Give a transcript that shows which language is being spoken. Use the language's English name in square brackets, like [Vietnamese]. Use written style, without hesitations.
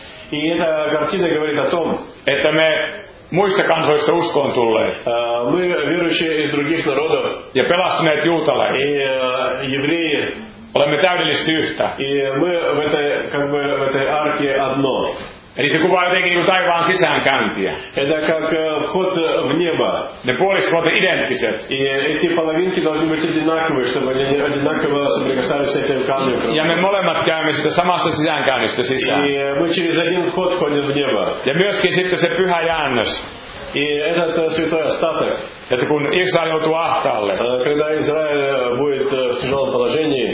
[Russian] И эта картина говорит о том, [Finnish] että me muista kansoista uskoon tulleet. [Russian] Мы верующие из других народов. [Finnish] Ja pelastuneet juutalaiset. [Russian] И евреи. [Finnish] Olemme täydellisesti yhtä. [Russian] И мы в этой арке одно. [Finnish] Eli se kuvaa jotenkin niin taivaan sisäänkäyntiä. [Russian] Это как вход в небо. [Finnish] Ne puoliskot identtiset. [Russian] И эти половинки должны быть одинаковые, чтобы они одинаково соприкасались с этим камнем. [Finnish] Ja me molemmat käymme sitä samasta sisäänkäynnistä sisään. [Russian] И мы через один вход входим в небо. [Finnish] Ja myöskin sitten se pyhä jäännös. [Russian] И этот святой остаток. [Finnish] Että kun Israel joutuu ahtaalle. [Russian] Когда Израиль будет в тяжелом положении.